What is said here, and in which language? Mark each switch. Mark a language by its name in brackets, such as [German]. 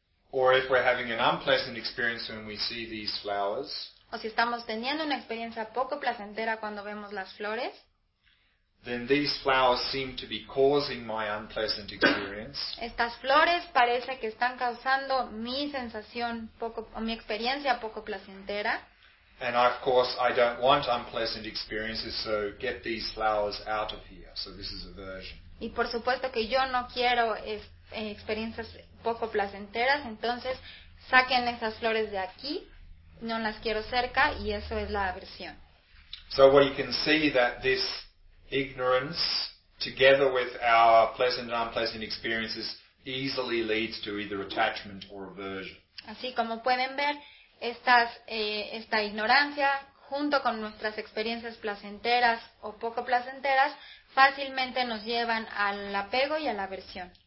[English] Or if we're having an unpleasant experience when we see these flowers, [Spanish] o si estamos teniendo una experiencia poco placentera cuando vemos las flores, [English] then these flowers seem to be causing my unpleasant experience. [Spanish] Estas flores parece que están causando mi sensación poco, o mi experiencia poco placentera. [English] And of course, I don't want unpleasant experiences, so get these flowers out of here. So this is aversion. [Spanish] Y por supuesto que yo no quiero experiencias poco placenteras, entonces saquen esas flores de aquí, no las quiero cerca, y eso es la aversión. [English] So we can see that this ignorance, together with our pleasant and unpleasant experiences, easily leads to either attachment or aversion. [Spanish] Así como pueden ver, esta ignorancia, junto con nuestras experiencias placenteras o poco placenteras, fácilmente nos llevan al apego y a la aversión.